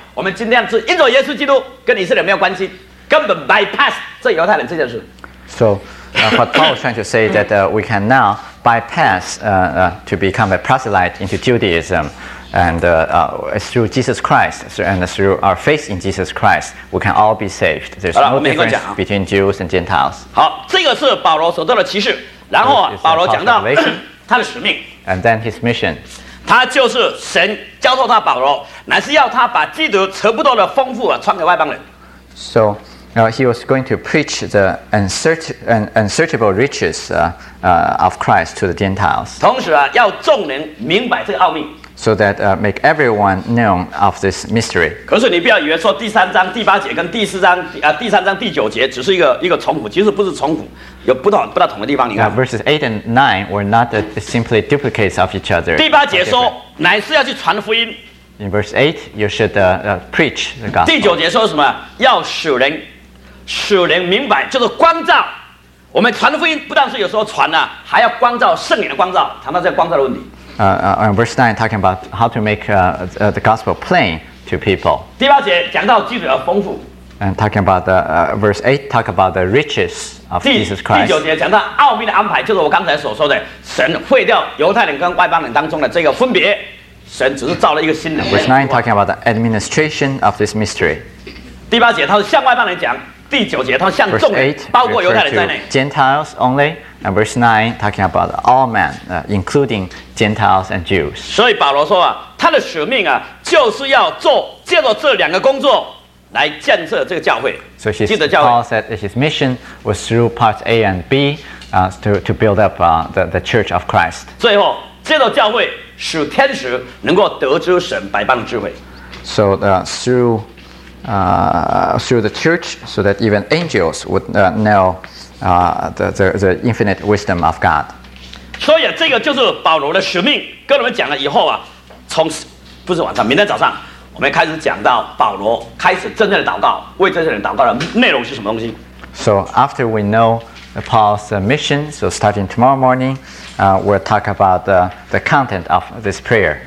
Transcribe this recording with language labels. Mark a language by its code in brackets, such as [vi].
[zh] 我们今天是因着耶稣基督，跟以色列没有关系，根本 bypass 这犹太人这件事。 [en] So, what Paul is trying to say that we can now bypass to become a proselyte into Judaism, and through Jesus Christ and through our faith in Jesus Christ, we can all be saved. There's no difference between Jews and Gentiles. [zh] 好，这个是保罗所做的启示。然后保罗讲到他的使命 [en] ，and then his mission， [zh] 他就是神交托他保罗，乃是要他把基督扯不多的丰富啊传给外邦人。 [en] So, he was going to preach the unsearchable riches of Christ to the Gentiles. [zh] 同时啊，要众人明白这个奥秘 [en] ，so that make everyone known of this mystery. [zh] 可是你不要以为说第三章第八节跟第四章第三章第九节只是一个重复，其实不是重复。有不大同的地方，你看。 [en] Now, verses 8 and 9 were not simply duplicates of each other. [zh] 第八节说，乃是要去传福音。 [en] In verse 8, you should preach the gospel. [zh] 第九节说什么？要使人明白，就是光照。我们传福音不但是有时候传了、啊，还要光照圣灵的光照，谈到这个光照的问题。 [en] In verse 9, talking about how to make the gospel plain to people. [zh] 第八节讲到基督的丰富。 [en] And talking about the verse 8, talk about the riches. Of Jesus Christ. [zh] 第九节讲到奥秘的安排，就是我刚才所说的，神废掉犹太人跟外邦人当中的这个分别，神只是造了一个新人。 [en] Verse 9 talking about the administration of this mystery. [zh] 第八节，他是向外邦人讲，第九节，他们向众人，包括犹太人在内。 [en] Gentiles only. And verse 9, talking about all men, including Gentiles and Jews. [zh] 所以保罗说啊，他的使命啊，就是要做借着这两个工作来建设这个教会。 [en] So Paul said that his mission was through parts A and B, to build up the Church of Christ. [zh] 最后，借着教会，使天使能够得知神百般的智慧。 [en] So through the church, so that even angels would know the infinite wisdom of God. [zh] 所以这个就是保罗的使命。跟我们讲了以后啊，从不是晚上，明天早上，我们开始讲到保罗开始真正的祷告，为这些人祷告的内容是什么东西。 [en] So after we know Paul's mission, so starting tomorrow morning, we'll talk about the content of this prayer.